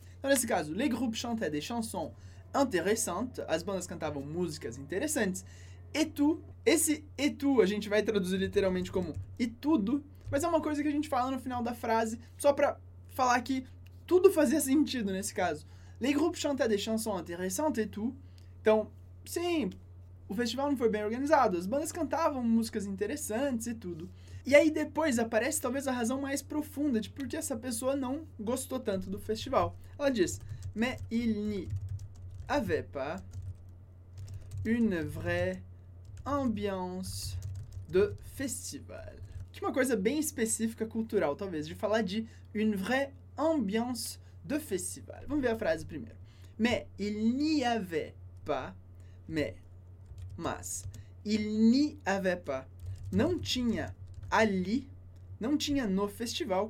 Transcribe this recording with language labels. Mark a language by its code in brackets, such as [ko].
[pt] Então, nesse caso, [fr] les groupes chantaient des chansons intéressantes. [pt] As bandas cantavam músicas interessantes. [fr] Et tout. [pt] Esse et tout a gente vai traduzir literalmente como e tudo. Mas é uma coisa que a gente fala no final da frase, só pra falar que tudo fazia sentido nesse caso. [fr] Les groupes chantaient des chansons intéressantes et tout. [pt] Então, sim, o festival não foi bem organizado. As bandas cantavam músicas interessantes e tudo. E aí depois aparece talvez a razão mais profunda de por que essa pessoa não gostou tanto do festival. Ela diz, [fr] mais il n'y avait pas une vraie ambiance de festival. [pt] que uma coisa bem específica, cultural, talvez, de falar de [fr] une vraie ambiance de festival. [pt] Vamos ver a frase primeiro. [fr] Mais il n'y avait pas, mas il n'y avait pas, [pt] não tinha ali, não tinha no festival.